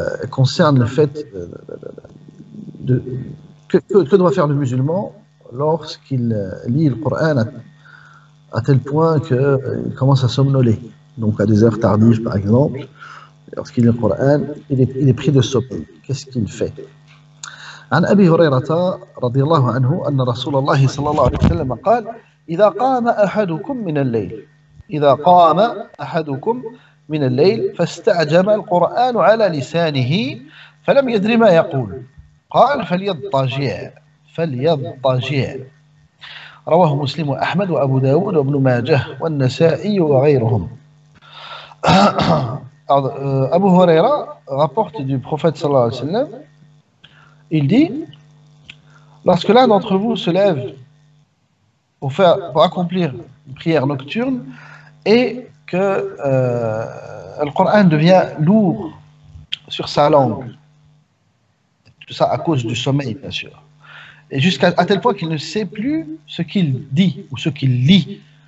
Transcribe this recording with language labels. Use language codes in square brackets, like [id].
[fr] Concerne le fait que doit faire le musulman lorsqu'il lit le Coran à tel point qu'il commence à somnoler, donc à des heures tardives par exemple. Lorsqu'il lit le Coran, il est pris de sommeil. Qu'est-ce qu'il fait ? [ar] عن أبي هريرة رضي الله عنه أن رسول الله صلى الله عليه وسلم قال إذا قام أحدكم من الليل إذا قام أحدكم من الليل فاستعجم القرآن على لسانه فلم يدري ما يقول قال فليضطجع رواه مسلم وأحمد وأبو داود وابن ماجه والنسائي وغيرهم. [fr] Abu Huraira rapporte du prophète sallallahu alayhi wa sallam, il dit, lorsque l'un d'entre vous se lève pour accomplir une prière nocturne et que le Coran devient lourd sur sa langue, tout ça à cause du sommeil bien sûr, et jusqu'à tel point qu'il ne sait plus ce qu'il dit ou ce qu'il lit.